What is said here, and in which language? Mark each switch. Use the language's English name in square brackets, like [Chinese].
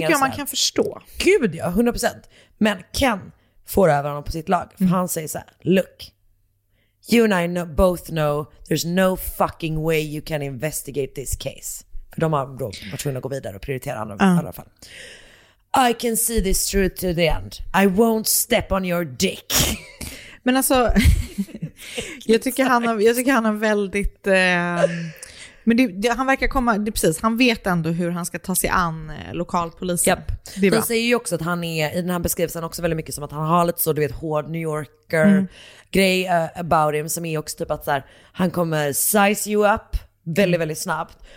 [Swedish] Det tycker jag man kan förstå. Gud ja, 100%. Men Ken får över honom på sitt lag. För han säger så här, [English] look, you and I know, both know there's no fucking way you can investigate this case. [Swedish] För de har då varit tvungna att gå vidare och prioritera andra i alla fall. [English] I can see this through to the end. I won't step on your dick. [Swedish] Men alltså, jag tycker han har väldigt... Men han verkar komma, det precis, han vet ändå hur han ska ta sig an lokalpolisen. [English] Yep. [Swedish] Det han säger ju också att han är, i den här beskrivelsen också väldigt mycket som att han har lite så, du vet, hård New Yorker grej [English] about him, [Swedish] som är också typ att så här, han kommer [English] size you up [Swedish] väldigt, väldigt snabbt.